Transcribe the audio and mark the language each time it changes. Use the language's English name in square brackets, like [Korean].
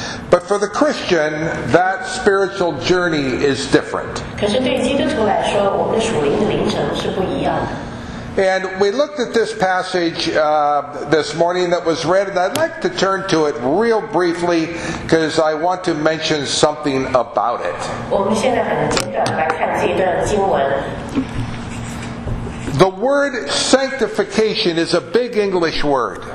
[English] But for the Christian, that spiritual journey is different. [Chinese] 可是对基督徒来说，我们的属灵的灵程是不一样的。 [English] And we looked at this passage this morning that was read, and I'd like to turn to it real briefly because I want to mention something about it. The word sanctification is a big English word.